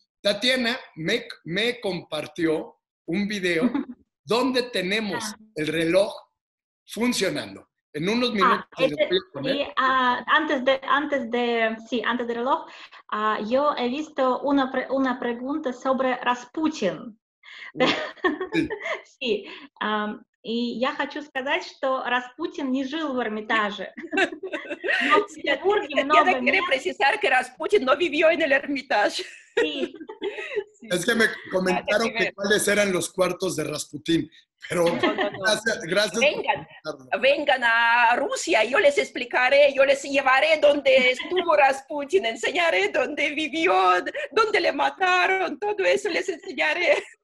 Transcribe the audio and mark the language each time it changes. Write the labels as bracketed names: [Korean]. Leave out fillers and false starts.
[Spanish] Tatiana me compartió un video donde tenemos el reloj funcionando. En unos minutos. Antes del reloj, yo he visto una pregunta sobre Rasputin. Sí. [Russian] И я хочу сказать, что Распутин не жил в Эрмитаже. Но в Петербурге много мест. Я хочу сказать, что Распутин не жил в Эрмитаже. [Spanish] Es que me comentaron que cuáles eran los cuartos de Rasputín, pero gracias. Vengan a Rusia, yo les explicaré, yo les llevaré donde estuvo Rasputín, enseñaré dónde vivió, dónde le mataron, todo eso les enseñaré.